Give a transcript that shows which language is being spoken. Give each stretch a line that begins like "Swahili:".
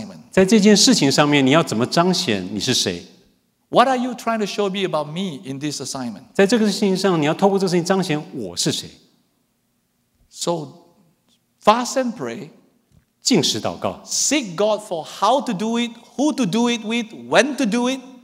Chinese: 在这件事情上面你要怎么彰显你是谁？
English: What are you trying to show me about me in this assignment?
Chinese: 在这个事情上你要透过这个事情彰显我是谁？
English: So fast and pray.
Chinese: 禁食祷告。
English: Seek God for how to do it, who to do it with, when to do it.